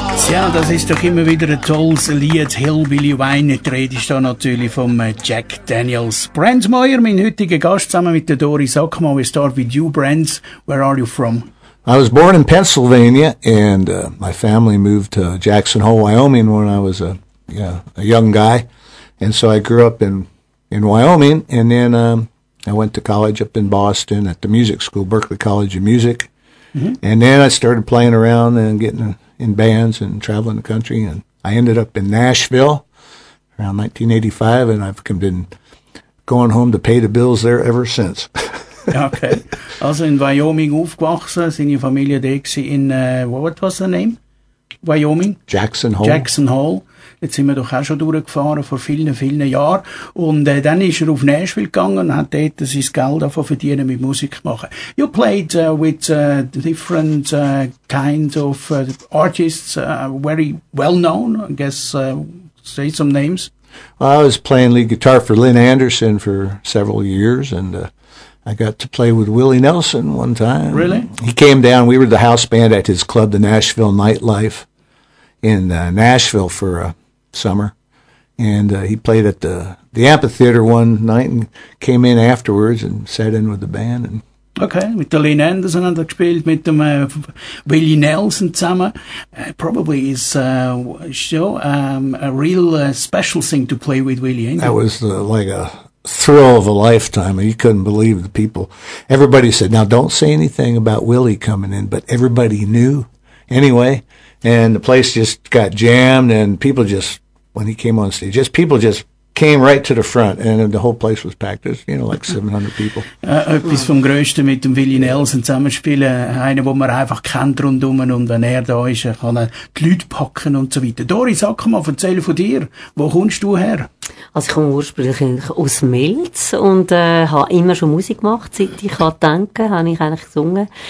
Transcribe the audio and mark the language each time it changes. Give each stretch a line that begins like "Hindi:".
German: Ja, das ist doch immer wieder ein tolles Lied. Hillbilly Wine. Die Rede ist da natürlich vom Jack Daniels. Brent Moyer, mein heutiger Gast, zusammen mit der Dori. Sag mal,
English: we start with you, Brent. Where are you from? I was born in Pennsylvania, and my family moved to Jackson Hole, Wyoming, when I was a young guy. And so I grew up in Wyoming, and then I went to college up in Boston at the music school, Berklee College of Music. Mm-hmm. And then I started playing around and getting in bands and traveling the country. And I ended up in Nashville around 1985, and I've been going home to pay the bills there ever since.
German: Okay. Also in Wyoming aufgewachsen, sind die Familie da in,
English: what was the name?
German: Wyoming?
English: Jackson Hole. Jackson Hole.
German: Jetzt sind wir doch auch schon durchgefahren vor vielen, vielen Jahren. Und dann ist er auf Nashville gegangen und hat dort sein Geld davon verdienen mit Musik machen.
English: You played with different kinds of artists, very well known, I guess, say some names. Well, I was playing lead guitar for Lynn Anderson for several years, and I got to play with Willie Nelson one time. Really? He came down, we were the house band at his club, the Nashville Nightlife, in Nashville for a summer, and he played at the amphitheater one night and came in afterwards and sat in with the band. And
German: okay, mit der Lynn Anderson hat er gespielt, mit dem Willie Nelson zusammen.
English: Probably is a real special thing to play with Willie, ain't it? That was like a thrill of a lifetime. You couldn't believe the people. Everybody said, now don't say anything about Willie coming in, but everybody knew anyway. And the place just got jammed, and people just, when he came on stage, just people just came right to the front, and the whole place was packed. There's, you know, like 700 people.
German: Etwas vom Größten mit dem Willie Nelson zusammenspielen. Einen, wo man einfach kennt rundum, und wenn er da ist, kann er die Leute packen und so weiter. Dori, sag mal, erzähl von dir. Wo kommst du her? Also ich komme ursprünglich aus Milz und habe immer schon Musik gemacht, seit ich kann denken, habe ich eigentlich gesungen.